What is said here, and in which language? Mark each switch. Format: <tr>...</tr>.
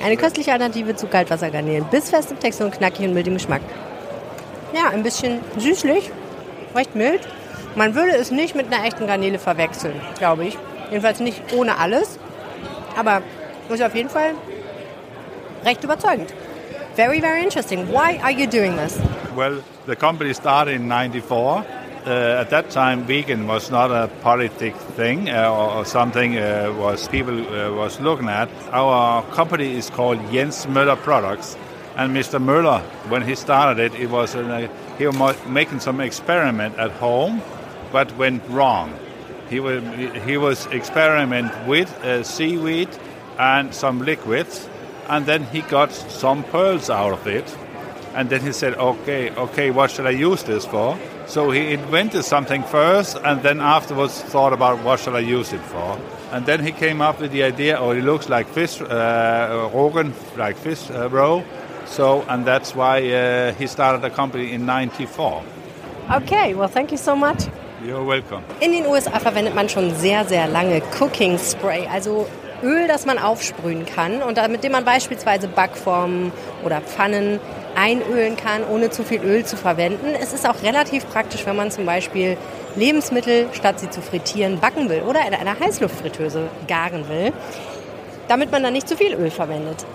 <de>Eine köstliche Alternative zu Kaltwassergarnelen. Bissfest im Text und knackig und mild im Geschmack. Ja, ein bisschen süßlich, recht mild. Man würde es nicht mit einer echten Garnele verwechseln, glaube ich. Jedenfalls nicht ohne alles. Aber ist auf jeden Fall recht überzeugend.</de> <en>Very, very interesting. Why are you doing this? Well, the company started in 94. At that time, vegan was not a politic thing or something was looking at. Our company is called Jens Møller Products. And Mr. Møller, when he started it, he was making some experiment at home, but went wrong. He was experiment with seaweed and some liquids, and then he got some pearls out of it. And then he said, okay, what should I use this for? So he invented something first, and then afterwards thought about what shall I use it for. And then he came up with the idea, it looks like fish, rogan, like fish roe. So, and that's why he started a company in 94. Okay, well, thank you so much. You're welcome.</en> <de>In den USA verwendet man schon sehr, sehr lange Cooking Spray, also Öl, das man aufsprühen kann und mit dem man beispielsweise Backformen oder Pfannen einölen kann, ohne zu viel Öl zu verwenden. Es ist auch relativ praktisch, wenn man zum Beispiel Lebensmittel, statt sie zu frittieren, backen will oder in einer Heißluftfritteuse garen will, damit man dann nicht zu viel Öl verwendet.</de>